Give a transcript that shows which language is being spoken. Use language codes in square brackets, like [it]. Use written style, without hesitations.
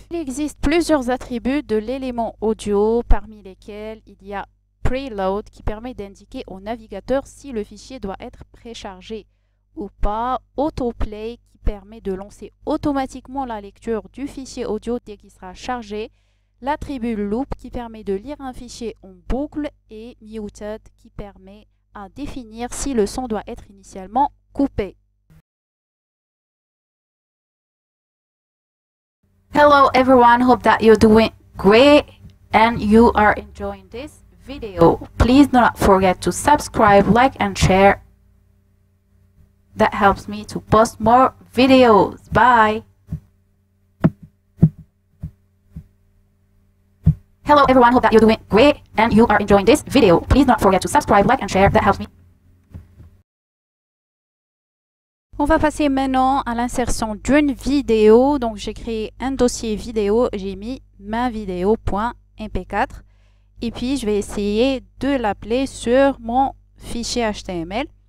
[fr] Il existe plusieurs attributs de l'élément audio, parmi lesquels il y a Preload qui permet d'indiquer au navigateur si le fichier doit être préchargé ou pas, Autoplay qui permet de lancer automatiquement la lecture du fichier audio dès qu'il sera chargé, L'attribut loop qui permet de lire un fichier en boucle et muted qui permet à définir si le son doit être initialement coupé. [en] Hello everyone, hope that you're doing great and you are enjoying this video. Please do not forget to subscribe, like and share. That helps me to post more videos. Bye. Hello everyone, hope that you're doing great and you are enjoying this video. Please do not forget to subscribe, like and share. That helps me. [fr] On va passer maintenant à l'insertion d'une vidéo. Donc j'ai créé un dossier vidéo, j'ai mis mavideo.mp4 et puis je vais essayer de l'appeler sur mon fichier HTML.